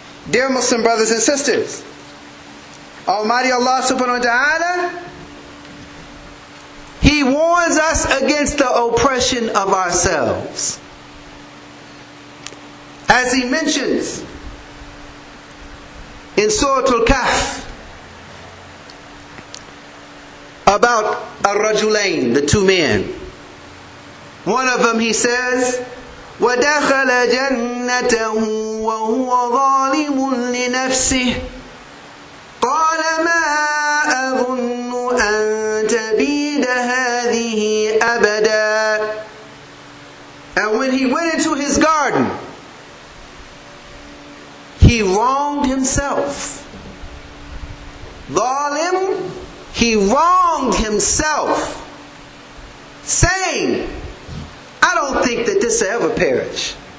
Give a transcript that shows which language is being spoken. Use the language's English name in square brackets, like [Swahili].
[English] Dear Muslim brothers and sisters, Almighty Allah subhanahu wa ta'ala, He warns us against the oppression of ourselves. As He mentions in Surah Al-Kahf about Ar-Rajulain, the two men. One of them, He says, [Arabic] وَدَخَلَ جَنَّتَهُ وَهُوَ ظَالِمٌ لِنَفْسِهِ قَالَ مَا أَظُنُّ أَن تَبِيدَ هَذِهِ أَبَدًا. [English] And when he went into his garden, he wronged himself. Zalim, he wronged himself, saying, I don't think that this will ever perish.